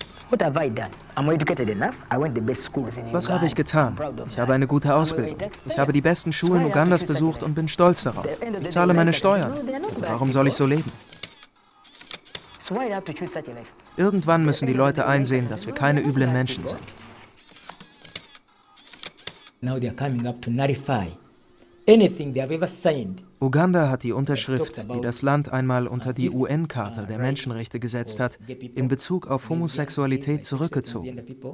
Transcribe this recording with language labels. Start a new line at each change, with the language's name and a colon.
German: Was habe ich getan? Ich habe eine gute Ausbildung. Ich habe die besten Schulen Ugandas besucht und bin stolz darauf. Ich zahle meine Steuern. Warum soll ich so leben? Irgendwann müssen die Leute einsehen, dass wir keine üblen Menschen sind.
English: Now they are coming up to nullify anything they have ever signed.
German: Uganda hat die Unterschrift, die das Land einmal unter die UN-Charta der Menschenrechte gesetzt hat, in Bezug auf Homosexualität zurückgezogen.